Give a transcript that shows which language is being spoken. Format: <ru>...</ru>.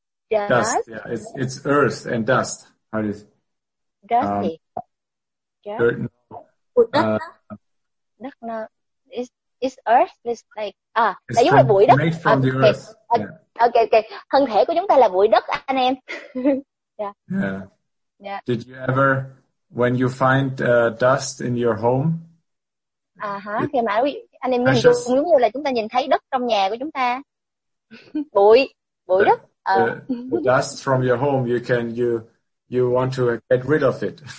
<en>Dust. Yeah, it's earth and dust. How is dusty. Dirt.</en> <vi>Đất nó</vi> <en>is earth is like</en> <vi>là giống như bụi đất.</vi> <en>Made from the earth. Yeah. Okay.</en> <vi>Thân thể của chúng ta là bụi đất anh em. Yeah.</vi> <en>Did you ever, when you find dust in your home?</en> <vi>Khi mà anh em nhìn giống như là chúng ta nhìn thấy đất trong nhà của chúng ta, bụi đất.</vi> <en>The dust from your home, you want to get rid of it.</en>